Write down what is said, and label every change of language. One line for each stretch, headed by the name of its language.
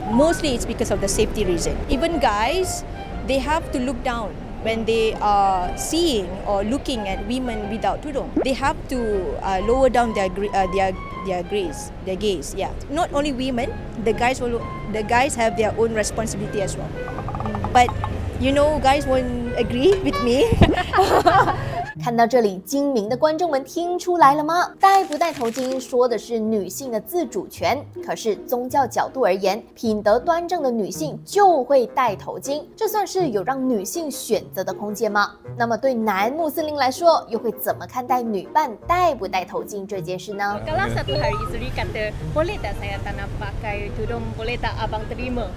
English: Mostly it's because of the safety reason. Even guys, they have to look down when they are seeing or looking at women without tudung. They have to lower down their gaze. Yeah. Not only women, the guys have their own responsibility as well. But you know, guys won't agree with me.
Chinese: 看到这里，精明的观众们听出来了吗？戴不戴头巾说的是女性的自主权，可是宗教角度而言，品德端正的女性就会戴头巾，这算是有让女性选择的空间吗？那么对男穆斯林来说，又会怎么看待女伴戴不戴头巾这件事呢？
Malay: Kalau satu hari isteri kata boleh tak saya tak nak pakai tudung, boleh tak abang terima?